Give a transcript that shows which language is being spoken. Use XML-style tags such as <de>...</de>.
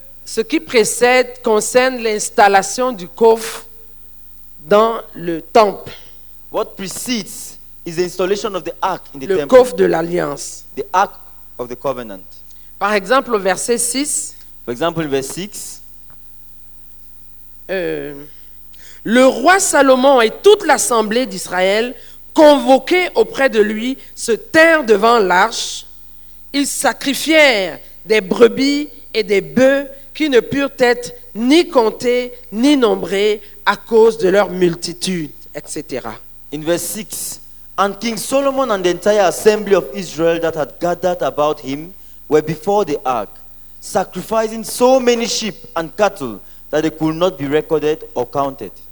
<fr>Ce qui précède concerne l'installation du coffre dans le temple.</fr> <en>What precedes is the installation of the ark in the</en> <fr>le</fr> <en>temple.</en> <fr>Le coffre de l'alliance.</fr> <en>The ark of the covenant.</en> <fr>Par exemple, au verset 6.</fr> <en>For example, verse 6.</en> <fr>Le roi Salomon et toute l'assemblée d'Israël convoquaient auprès de lui se tinrent devant l'arche. Ils sacrifièrent des brebis et des bœufs qui ne purent être ni comptés ni nombrés à cause de leur multitude, etc.</fr> <en>In verse 6, and King Solomon and the entire assembly of Israel that had gathered about him were before the ark, sacrificing so many sheep and cattle that they could not be recorded or counted.</en>